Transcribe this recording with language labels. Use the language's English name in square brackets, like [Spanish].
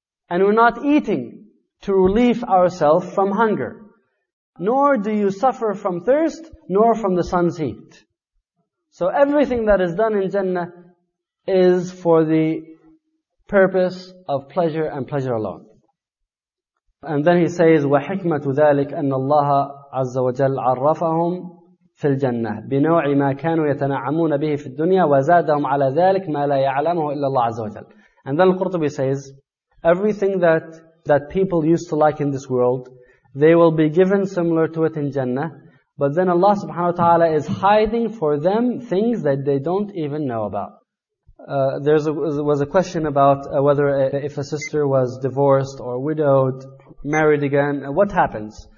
[English] And we're not eating to relieve ourselves from hunger. Nor do you suffer from thirst nor from the sun's heat. So everything that is done in Jannah is for the purpose of pleasure and pleasure alone. And then he says, [Arabic] وَحِكْمَةُ ذَلِكَ أَنَّ اللَّهَ عَزَّ وَجَلْ عَرَّفَهُمْ فِي الْجَنَّةِ بِنَوْعِ مَا كَانُوا يَتَنَعَمُونَ بِهِ فِي الدُّنْيَا وَزَادَهُمْ عَلَى ذَلِكَ مَا لَا يَعْلَمُهُ إِلَّا اللَّهَ عَزَّ وَجَلْ. [English] And then Al-Qurtubi says, everything that people used to like in this world, they will be given similar to it in Jannah. But then Allah subhanahu wa ta'ala is hiding for them things that they don't even know about. There was a question about whether if a sister was divorced or widowed, married again, what happens?